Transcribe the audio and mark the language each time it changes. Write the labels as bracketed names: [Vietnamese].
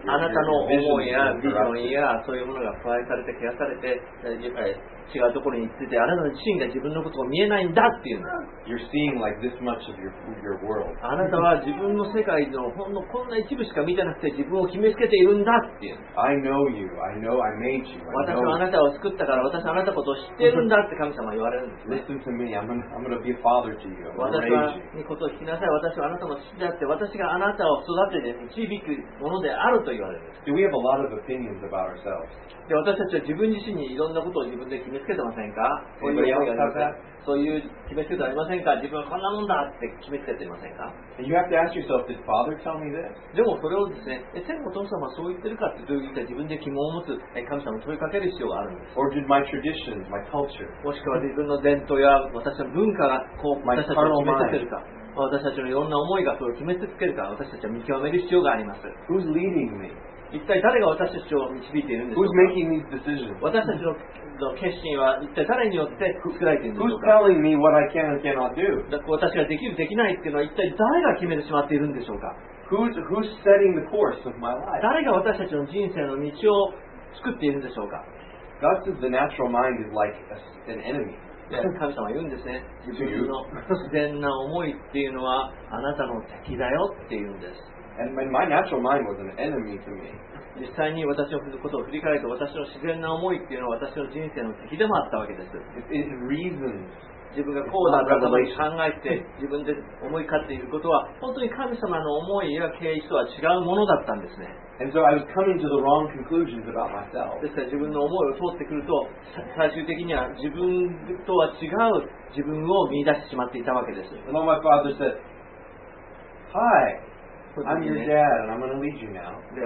[Japanese] あなたの思いやビジョンやそういうものが腐敗されて、消されて、違うところに行ってて、あなた自身が自分のことを見えないんだっていうの。 [English] You're seeing like this much of your world. [Japanese] あなたは自分の世界のほんのこんな一部しか見てなくて、自分を決めつけているんだっていう。 [English] I know you. I know I made you. [Japanese] 私はあなたを作ったから、私はあなたことを知ってるんだって神様は言われるんですね。 [English] Listen to me. I'm going to be a father to you. I'm going to raise you. [Japanese] 私にことを聞きなさい。私はあなたの父であって、私があなたを育てて導くものであると言われる。 [English] Do we have a lot of opinions about ourselves? [Japanese] で、私たちは自分自身にいろんなことを自分で決めつけてませんか？そういう思いがありますか？そういう決めつけてありませんか？自分はこんなもんだって決めつけていませんか？ [English] You have to ask yourself, did Father tell me this? [Japanese] でもそれをですね、天のお父様はそう言ってるかって、どういった自分で疑問を持つ神様に問いかける必要があるんです。 [English] Or did my tradition, my culture? [Japanese] もしくは自分の伝統や私の文化がこう私たちを決めつけるか、私たちのいろんな思いがそう決めつけるか、私たちは見極める必要があります。 [English] Who's leading me? [Japanese] 一体誰が私たちを導いているんでしょうか。 [English] Who's making these decisions? [Japanese] 私たちの決心は一体誰によって作られているんでしょうか。 [English] Who's telling me what I can and cannot do? [Japanese] 私ができるできないっていうのは一体誰が決めてしまっているんでしょうか。 [English] Who's setting the course of my life? [Japanese] 誰が私たちの人生の道を作っているんでしょうか。 [English] God says the natural mind is like an enemy. [Japanese] 神様は言うんですね。自分の自然な思いっていうのはあなたの敵だよっていうんです。 [English] And my natural mind was an enemy to me. [Japanese] 実際に私のことを振り返ると、私の自然な思いっていうのは私の人生の敵でもあったわけです。 [English] It reasons. [Japanese] 自分がこうだと考えて自分で思い勝っていることは本当に神様の思いや啓示とは違うものだったんですね。 [English] And so I was coming to the wrong conclusions about myself. [Japanese] ですから自分の思いを通ってくると、最終的には自分とは違う自分を見出してしまっていたわけです。 [English] And my father said, Hi. I'm your dad, and I'm going to lead you now.